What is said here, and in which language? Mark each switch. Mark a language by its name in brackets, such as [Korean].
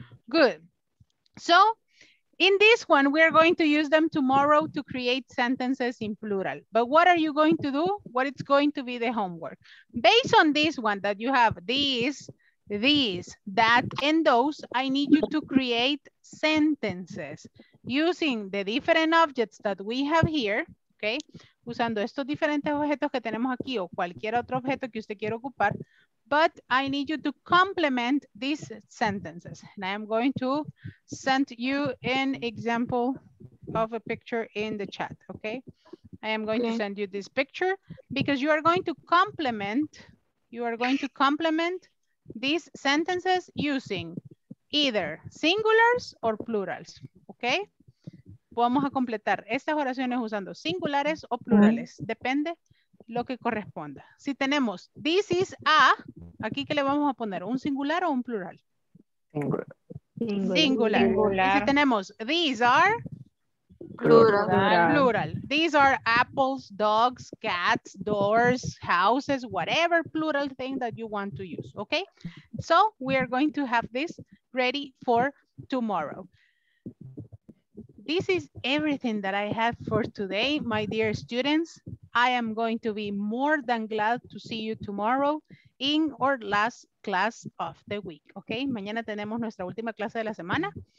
[English] Good. So, in this one, we are going to use them tomorrow to create sentences in plural. But what are you going to do? What is going to be the homework? Based on this one that you have, these, that, and those, I need you to create sentences using the different objects that we have here, okay? [Spanish] Usando estos diferentes objetos que tenemos aquí o cualquier otro objeto que usted quiera ocupar. [English] But I need you to complement these sentences. And I am going to send you an example of a picture in the chat, okay? I am going to send you this picture because you are going to complement, these sentences using either singulars or plurals, okay? [Spanish] Vamos a completar estas oraciones usando singulares o plurales, depende lo que corresponda. Si tenemos [English] this is a, [Spanish] aquí que le vamos a poner, ¿un singular o un plural? Singular. Y si tenemos [English] these are [Spanish] plural. [English] These are apples, dogs, cats, doors, houses, whatever plural thing that you want to use, okay? So we are going to have this ready for tomorrow. This is everything that I have for today, my dear students. I am going to be more than glad to see you tomorrow in our last class of the week, okay? [Spanish] Mañana tenemos nuestra última clase de la semana.